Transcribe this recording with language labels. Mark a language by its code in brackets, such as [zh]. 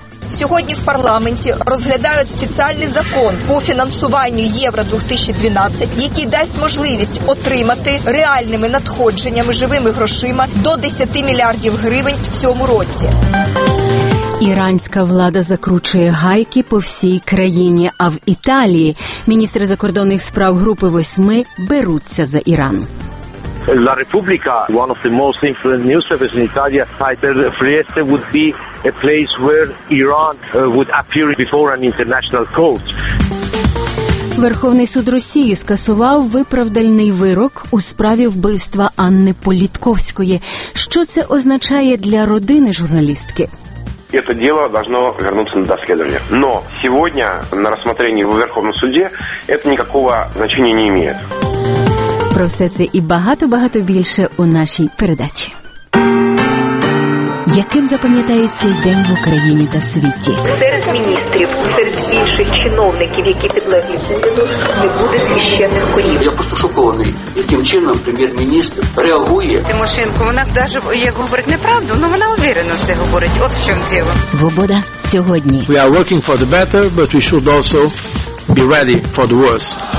[uk] Сьогодні в парламенті розглядають спеціальний закон по фінансуванню Євро-2012, який дасть можливість отримати реальними надходженнями, живими грошима, до 10 мільярдів гривень в цьому році. Іранська влада закручує гайки по всій країні, а в Італії міністри закордонних справ групи 8 беруться за Іран. [en] La Repubblica, one of the most influential news services in Italia, titled Trieste would be a place where Iran would appear before an international court. [uk] Верховний суд Росії скасував виправдальний вирок у справі вбивства Анни Політковської. Що це означає для родини журналістки? [ru] Это дело должно вернуться на доследование. Но сегодня на рассмотрении в Верховном суде это никакого значения не имеет. [uk] Про все це і багато-багато більше у нашій передачі. Яким запам'ятають цей день в Україні та світі? Серед міністрів, серед інших чиновників, які підлеглі уряду, не буде священних корів. Я просто шокований, яким чином прем'єр-міністр реагує. Тимошенко, вона навіть, як говорить неправду, але вона уверено це говорить. От в чому діло. Свобода сьогодні. [en] We are working for the better, but we should also be ready for the worse.